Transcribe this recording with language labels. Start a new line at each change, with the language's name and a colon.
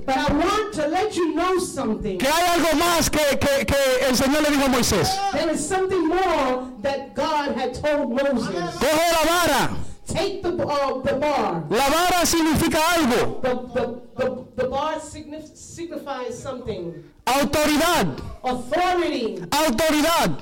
English: But I want to let you know something.
Spanish: Que hay algo más que el Señor le dijo a Moisés.
English: There is something more that God had told Moses.
Spanish: Coge la vara.
English: Take the bar.
Spanish: La vara significa algo.
English: The bar signifies something.
Spanish: Autoridad.
English: Authority.
Spanish: Autoridad.